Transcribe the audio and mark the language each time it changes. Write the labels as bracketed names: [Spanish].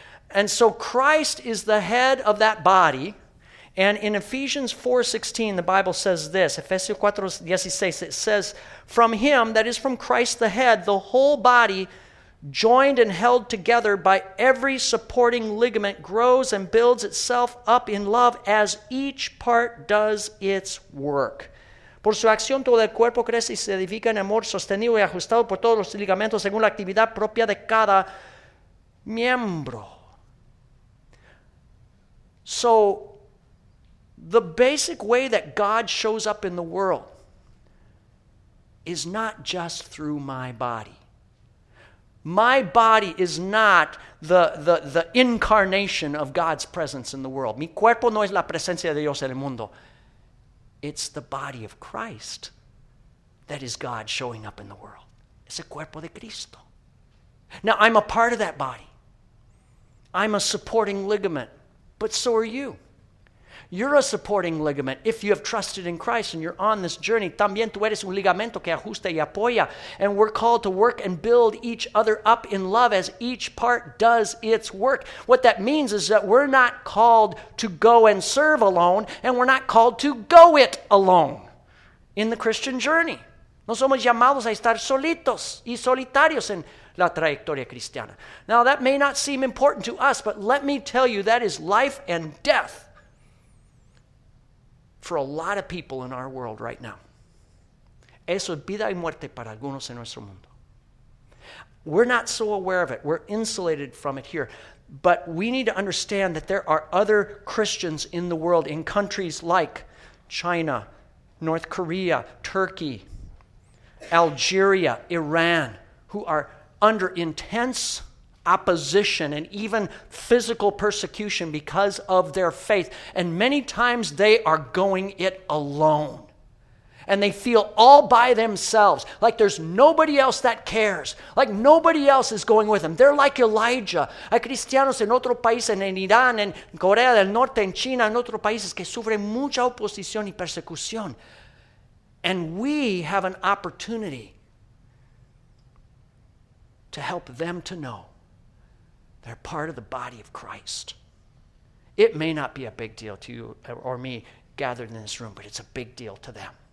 [English] And so Christ is the head of that body. And in Ephesians 4:16, the Bible says this, Ephesians 4:16, it says, from him, that is from Christ the head, the whole body, joined and held together by every supporting ligament, grows and builds itself up in love as each part does its work. [Spanish] Por su acción, todo el cuerpo crece y se edifica en amor, sostenido y ajustado por todos los ligamentos según la actividad propia de cada miembro. [English] So, the basic way that God shows up in the world is not just through my body. My body is not the incarnation of God's presence in the world. [Spanish] Mi cuerpo no es la presencia de Dios en el mundo. [English] It's the body of Christ that is God showing up in the world. [Spanish] Es el cuerpo de Cristo. [English] Now, I'm a part of that body. I'm a supporting ligament, but so are you. You're a supporting ligament if you have trusted in Christ and you're on this journey. [Spanish] También tú eres un ligamento que ajusta y apoya. [English] And we're called to work and build each other up in love as each part does its work. What that means is that we're not called to go and serve alone, and we're not called to go it alone in the Christian journey. [Spanish] No somos llamados a estar solitos y solitarios en la trayectoria cristiana. [English] Now, that may not seem important to us, but let me tell you, that is life and death for a lot of people in our world right now. [Spanish] Eso es vida y muerte para algunos en nuestro mundo. [English] We're not so aware of it. We're insulated from it here. But we need to understand that there are other Christians in the world, in countries like China, North Korea, Turkey, Algeria, Iran, who are under intense opposition and even physical persecution because of their faith. And many times they are going it alone. And they feel all by themselves, like there's nobody else that cares, like nobody else is going with them. They're like Elijah. [Spanish] Hay cristianos en otro país, en Irán, en Corea del Norte, en China, en otros países que sufren mucha oposición y persecución. [English] And we have an opportunity to help them to know they're part of the body of Christ. It may not be a big deal to you or me gathered in this room, but it's a big deal to them.